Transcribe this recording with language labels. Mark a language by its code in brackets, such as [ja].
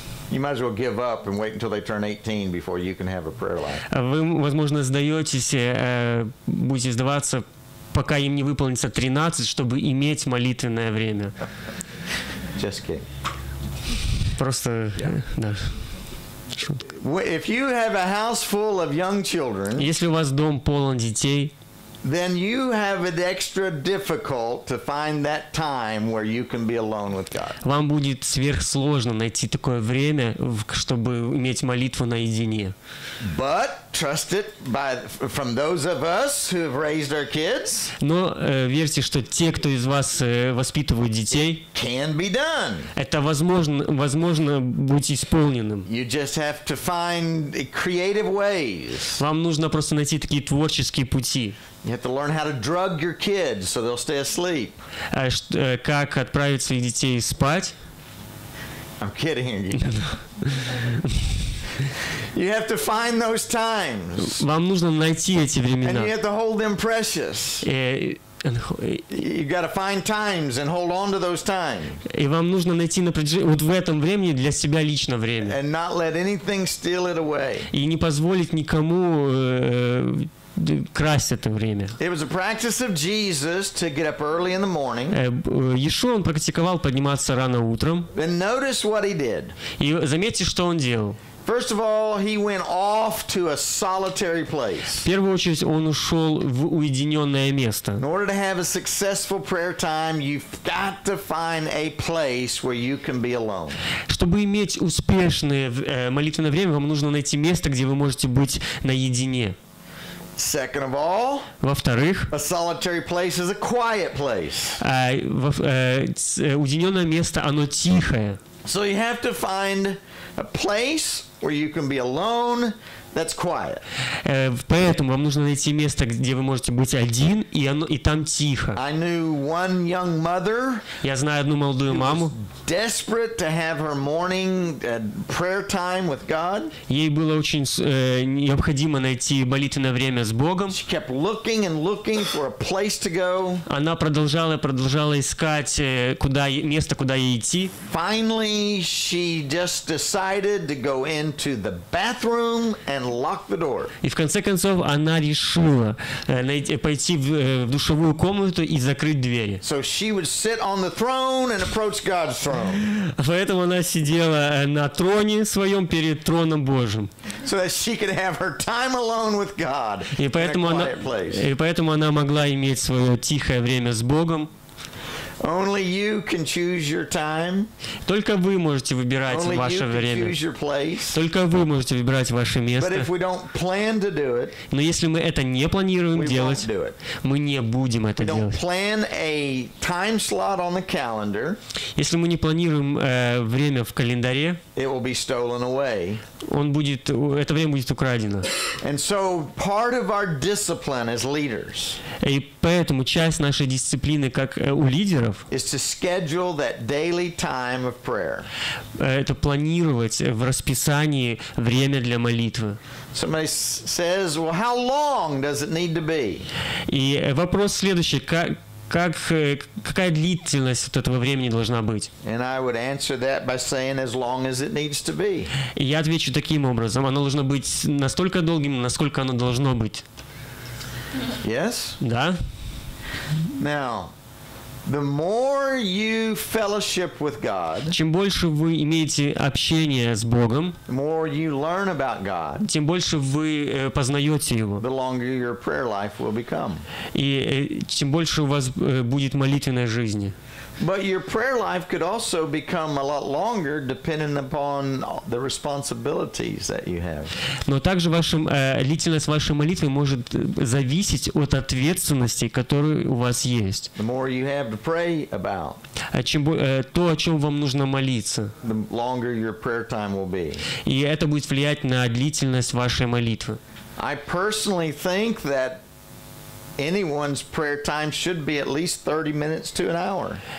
[en] You might as well give up and wait until they turn 18 before you can have a prayer life. [ru] Вы, возможно, сдаетесь, будете сдаваться, пока им не выполнится 13, чтобы иметь молитвенное время. [en] Just kidding. [ru] Просто, да. Шутка. [en] If you have a house full of young children, [ru] если у вас дом полон детей, [en] then you have it extra difficult to find that time where you can be alone with God. [ru] Вам будет сверхсложно найти такое время, чтобы иметь молитву наедине. [en] But trust it from those of us who have raised our kids. [ru] Но верьте, что те, кто из вас воспитывают детей, [en] can be done. [ru] Это возможно быть исполненным. [en] You just have to find creative ways. [ru] Вам нужно просто найти такие творческие пути. [en] You have to learn how to drug your kids so they'll stay asleep. [ru] Как отправить своих детей спать? [en] I'm kidding. You have to find those times. [ru] Вам нужно найти эти времена. [en] And you have to hold them precious. You've got to find times and hold on to those times. [ru] И вам нужно найти вот в этом времени для себя лично время. [en] And not let anything steal it away. [ru] И не позволить никому красть это время. [en] It was a practice of Jesus to get up early in the morning. [ru] Иешуа, он практиковал подниматься рано утром. [en] And notice what he did. [ru] И заметьте, что он делал. [en] First of all, he went off to a solitary place. [ru] В первую очередь, он ушел в уединенное место. [en] In order to have a successful prayer time, you've got to find a place where you can be alone. [ru] Чтобы иметь успешное молитвенное время, вам нужно найти место, где вы можете быть наедине. [en] Second of all, [ru] во-вторых, [en] a solitary place is a quiet place. [ru] Уединенное место, оно тихое. [en] So you have to find a place where you can be alone that's quiet. [ru] Поэтому вам нужно найти место, где вы можете быть один, и там тихо. [en] I knew one young mother. [ru] Я знаю одну молодую маму. [en] Desperate to have her morning prayer time with God. [ru] Ей было очень необходимо найти молитвенное время с Богом. [en] She kept looking and looking for a place to go. [ru] Она продолжала искать место, куда ей идти. [en] Finally, she just decided to go into the bathroom and and lock the door. [ru] И в конце концов она решила пойти в душевую комнату и закрыть двери. [en] So she would sit on the throne and approach God's throne. [ru] Поэтому она сидела на троне своем перед троном Божьим. [en] So that she could have her time alone with God. [ru] И поэтому она могла иметь свое тихое время с Богом. [en] Only you can choose your time. [ru] Только вы можете выбирать [en] Only [ru] ваше [en] you [ru] время. [en] Can choose your place. [ru] Только вы можете выбирать ваше место. [en] But if we don't plan to do it, [ru] Но если мы это не планируем делать, мы не будем это [en] we [ru] делать. [en] Don't plan a time slot on the calendar, [ru] если мы не планируем время в календаре, [en] it will be stolen away. [ru] Это время будет украдено. [en] And so part of our discipline as leaders, [ru] и поэтому часть нашей дисциплины как у лидера [en] is to schedule that daily time of prayer. [ru] Это планировать в расписании время для молитвы. [en] Somebody says, well, how long does it need to be? [ru] И вопрос следующий: какая длительность от этого времени должна быть? [en] And I would answer that by saying as long as it needs to be. [ru] И я отвечу таким образом: оно должно быть настолько долгим, насколько оно должно быть. [en] Yes? [ru] Да. [en] Now, the more you fellowship with God, [ru] чем больше вы имеете общение с Богом, [en] the more you learn about God, [ru] тем больше вы познаете Его, [en] the longer your prayer life will become. [ru] И тем больше у вас будет молитвенная жизнь. [en] But your prayer life could also become a lot longer, depending upon the responsibilities that you have. [ru] Но также длительность вашей молитвы может зависеть от ответственности, которую у вас есть. [en] The more you have to pray about, [ru] то, о чем вам нужно молиться, [en] the longer your prayer time will be. [ru] И это будет влиять на длительность вашей молитвы. [en] I personally think that anyone's prayer time should be at least 30 minutes to an hour.